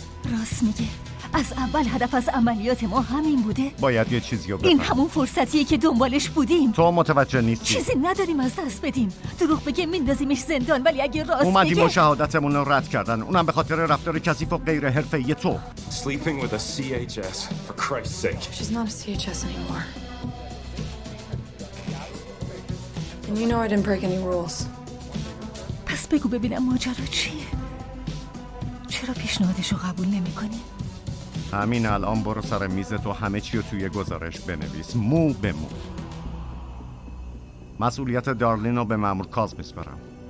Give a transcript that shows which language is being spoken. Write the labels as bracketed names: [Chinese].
[Persian] راست میگه، از اول هدف از عملیات ما همین بوده. باید یه چیزی رو بفهم. این همون فرصتیه که دنبالش بودیم. تو متوجه نیستی. چیزی نداریم از دست بدیم. دروغ بگه میندازیمش زندان، ولی اگه راست بگه اومدیم و شهادتمون رو رد کردن، اونم به خاطر رفتار کثیف و غیر حرفه‌ای تو. [English] Sleeping with a CHS for Christ's sake. She's not a CHS anymore. And you know I didn't break any rules. [Persian] پس بگو ببینم ماجرا چیه. چرا پیشنهادشو قبول نمی‌کنی؟ همین الان برو سر میز تو همه چی رو توی گزارش بنویس مو به مو. مسئولیت دارلین رو به مامور کاز میسپرم.